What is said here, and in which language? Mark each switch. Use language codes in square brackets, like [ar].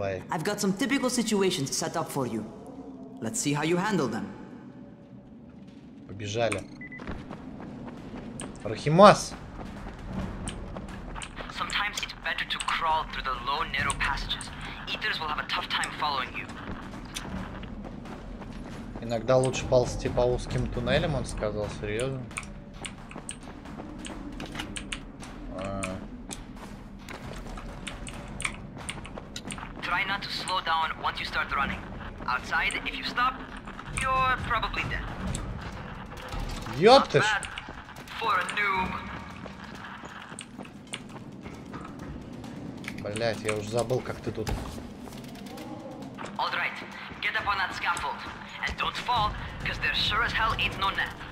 [en] I've got some typical situations set up for you. Let's see how you handle them. [ru] Побежали. Рахимас! [en] Sometimes it's better to crawl through the low, narrow passages. Eaters will have a tough time following you. [ru] Иногда лучше ползти по узким туннелям, он сказал, серьезно. [en] Try not to slow down once you start running. Outside, if you stop, you're probably dead. [ru] Ёпта! [en] For a noob. [ru] Блять, я уже забыл, как ты тут. [en] All right, get up on that scaffold. And don't fall, because there sure as hell ain't no net.